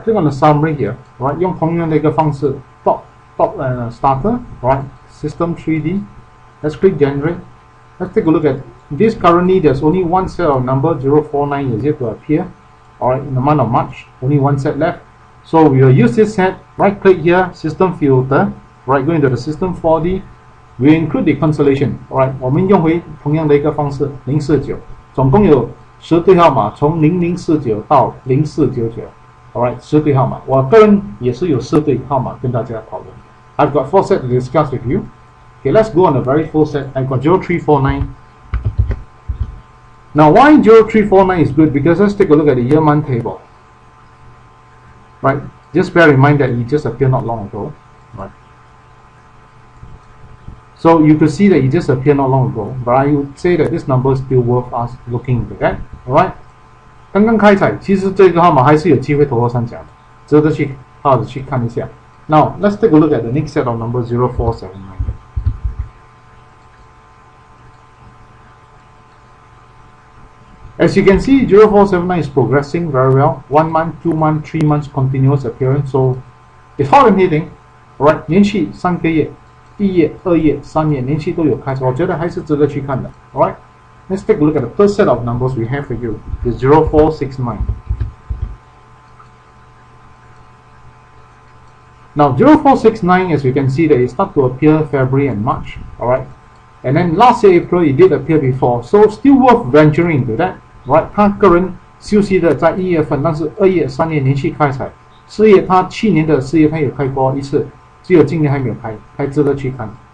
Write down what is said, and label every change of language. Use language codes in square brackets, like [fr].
[en] Click on the summary here, right? [zh] 用同样的一个方式, [en] top starter, right? System 3D. Let's click generate. Let's take a look at this. Currently, there's only one set of number 049 is yet to appear, all right? In the month of March, only one set left. So we will use this set, right? Click here, system filter, right? Go into the system 4D. We include the constellation, all right? [zh] 我们用回同样的一个方式, 049. 总共有 10对号码， 从0049到0499， alright， 10对号码， 我个人也是有4对号码跟大家讨论。 [en] I've got four sets to discuss with you. Okay, let's go on the very first set. I've got 0349. Now, why 0349 is good? Because let's take a look at the year month table. Right, just bear in mind that it just appeared not long ago. Right. So you could see that it just appeared not long ago, but I would say that this number is still worth us looking at. Okay? Alright? [zh] 刚刚开采，其实这个号码还是有机会头头上奖，值得去好好的去看一下。 [en] Now, let's take a look at the next set of numbers 0479. As you can see, 0479 is progressing very well. 1 month, 2 months, 3 months continuous appearance. So, it's hot and hitting. [zh] Alright, 连续三个月，一月、二月、三月连续都有开始，我觉得还是值得去看的. [en] Alright, let's take a look at the first set of numbers we have for you, the 0469. Now, 0469, as you can see, that it started to appear February and March. Alright, and then last year, April, it did appear before. So, still worth venturing into that. [zh] Right, 他个人休息的在1月份，但是2月、3月连续开采。4月他去年的4月他有开过一次，只有今年还没有开，还值得去看。